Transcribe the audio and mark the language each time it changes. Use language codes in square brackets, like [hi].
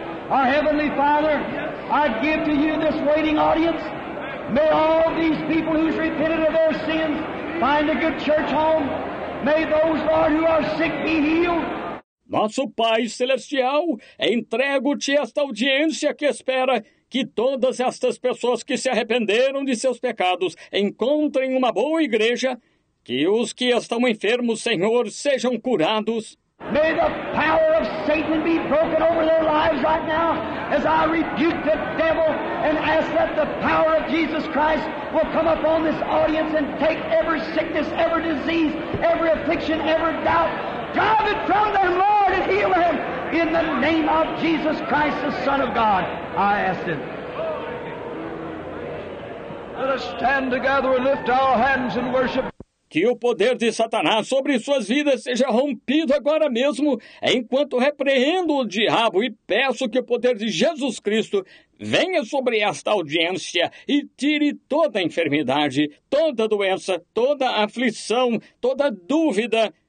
[en] Our Heavenly Father, I give to you this waiting audience. May all these people who have repented of their sins find a good church home. May those, Lord, who are sick be healed. [pt] Nosso Pai Celestial, entrego-te esta audiência que espera que todas estas pessoas que se arrependeram de seus pecados encontrem uma boa igreja, que os que estão enfermos, Senhor, sejam curados. [en] May the power of Satan be broken over their lives right now, as I rebuke the devil and ask that the power of Jesus Christ will come upon this audience and take every sickness, every disease, every affliction, every doubt. Drive it from them, Lord, and heal them. In the name of Jesus Christ, the Son of God, I ask it. Let us stand together and lift our hands in worship. [pt] Que o poder de Satanás sobre suas vidas seja rompido agora mesmo, enquanto repreendo o diabo e peço que o poder de Jesus Cristo venha sobre esta audiência e tire toda a enfermidade, toda a doença, toda a aflição, toda a dúvida.